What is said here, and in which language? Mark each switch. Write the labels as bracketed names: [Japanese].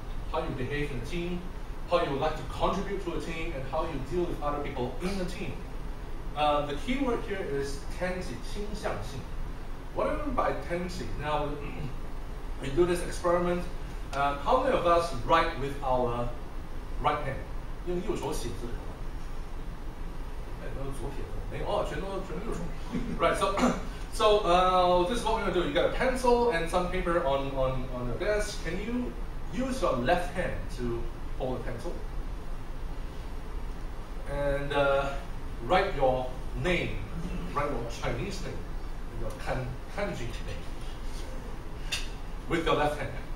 [English] How you behave in a team, how you would like to contribute to a team, and how you deal with other people in the team. The key word here is tendency, 倾向性.What do I mean by tendency? Now, we do this experiment. How many of us write with our right hand? [Chinese] 用右手写字，哎，都是左撇子，没有哦，全都右手。 [English] Right, so this is what we're gonna do. You got a pencil and some paper on your desk. Can you use your left hand to hold the pencil? And write your name, write your Chinese name, and your kanji name with your left hand.